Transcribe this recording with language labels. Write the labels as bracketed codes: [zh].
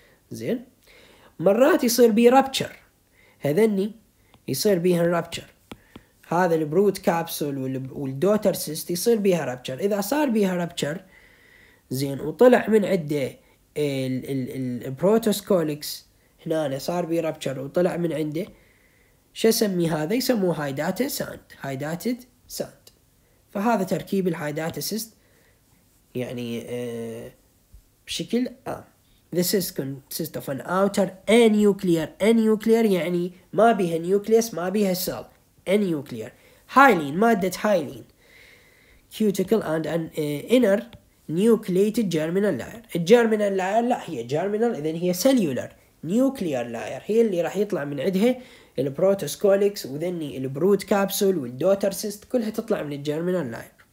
[ar] زين مرات يصير بيه رابتشر، هذني يصير بيها رابتشر، هذا البرود كابسول والدوتر سيست يصير بيها رابتشر. اذا صار بيها رابتشر زين وطلع من عده البروتوسكوليكس، هنا صار بيه رابتشر وطلع من عنده، شو اسمي هذا؟ يسموه هايداتا ساند، هايداتا ساند. فهذا تركيب الهايداتا سيست، يعني بشكل [en] the cyst consists of an outer anuclear. [ar] anuclear يعني ما بيها نيوكليس، ما بيها سيل، anuclear هايلين، مادة هايلين [en] cuticle and an inner nucleated germinal layer. [ar] الجيرمينال لاير لا هي جيرمينال، إذن هي سيلولار. نيوكليار لاير هي اللي راح يطلع من عندها البروتوسكوليكس وذني البرود كابسول والدوتر سيست، كلها تطلع من الجيرمينال لاير.